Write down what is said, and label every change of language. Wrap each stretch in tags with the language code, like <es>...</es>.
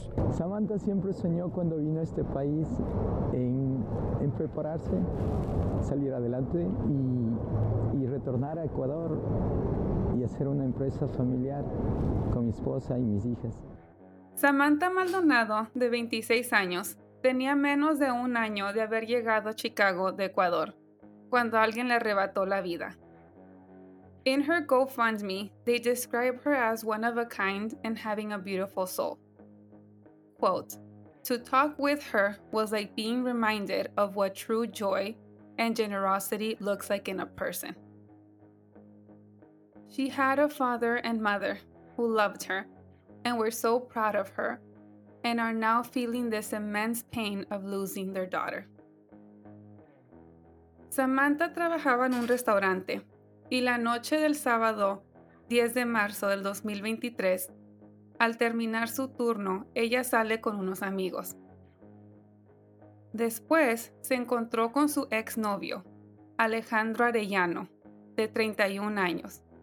<es>Samantha siempre soñó cuando vino a este país en prepararse, salir adelante y retornar a Ecuador y hacer una empresa familiar con mi esposa y mis hijas. Samantha Maldonado, de 26 años, tenía menos de un año de haber llegado a Chicago de Ecuador cuando alguien le arrebató la vida.</es> <en>In her GoFundMe, they describe her as one of a kind and having a beautiful soul. Quote, "To talk with her was like being reminded of what true joy and generosity looks like in a person. She had a father and mother who loved her and were so proud of her and are now feeling this immense pain of losing their daughter."</en> <es>Samantha trabajaba en un restaurante y la noche del sábado 10 de marzo del 2023, al terminar su turno, ella sale con unos amigos. Después se encontró con su exnovio, Alejandro Arellano, de 31 años.</es>